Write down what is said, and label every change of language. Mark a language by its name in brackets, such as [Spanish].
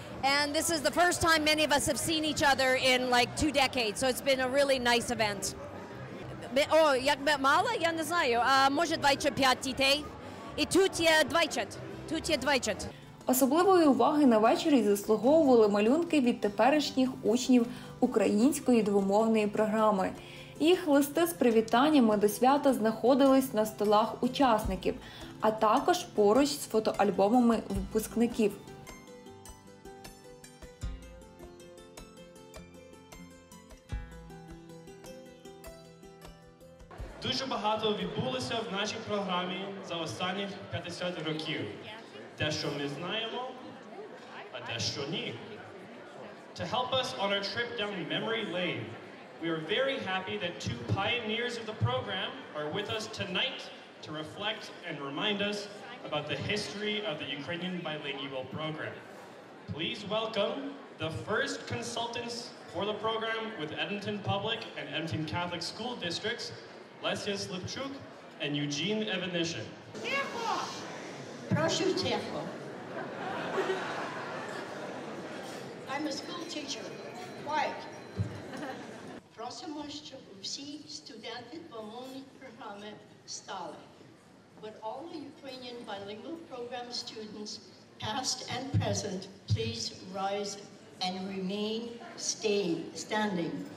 [English] And this is the first time many of us have seen each other in like two decades. So it's been a really nice event. [Ukrainian] О, як мало, я не знаю, а може двічі п'ять дітей. І тут є двічі, тут є двічі. Особливої уваги на вечорі заслуговували малюнки від теперішніх учнів української двомовної програми. Їх листи з привітаннями до свята знаходились на столах учасників, а також поруч з фотоальбомами випускників. Дуже багато відбулося в нашій програмі за останні 50 років. Те, що ми знаємо, а те, що ні. [English] To help us on our trip down memory lane, we are very happy that two pioneers of the program are with us tonight to reflect and remind us about the history of the Ukrainian Bilingual Program. Please welcome the first consultants for the program with Edmonton Public and Edmonton Catholic School Districts, Леся Слепчук і Юджін Евенішин. [Ukrainian] Тихо! Прошу тихо. [English] I'm a school teacher. Quiet. [Ukrainian] Просимо, щоб всі студенти двомовної програми стали. [English] Would all the Ukrainian bilingual program students, past and present, please rise and remain standing.